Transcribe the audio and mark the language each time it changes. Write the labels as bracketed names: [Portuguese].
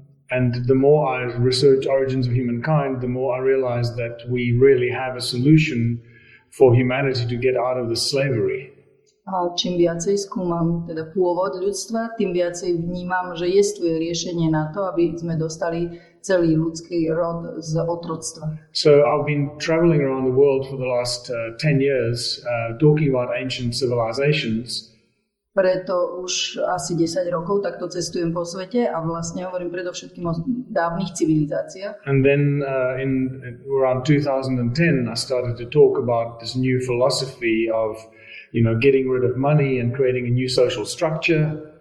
[English] And the more I research origins of humankind, the more I realize that we really have a solution for humanity to get out of the slavery. [Czech] A čím viacej zkoumám teda původ lidstva, tím viacej vnímám, že existuje řešení na to, aby jsme dostali celý lidský rod z otroctva. [English] So I've been traveling around the world for the last 10 years talking about ancient civilizations. [Slovak] Preto už asi 10 rokov takto cestujem po světě a vlastně hovorím predovšetkým o dávných civilizáciách. [English] And then around 2010 I started to talk about this new philosophy of getting rid of money and creating a new social structure.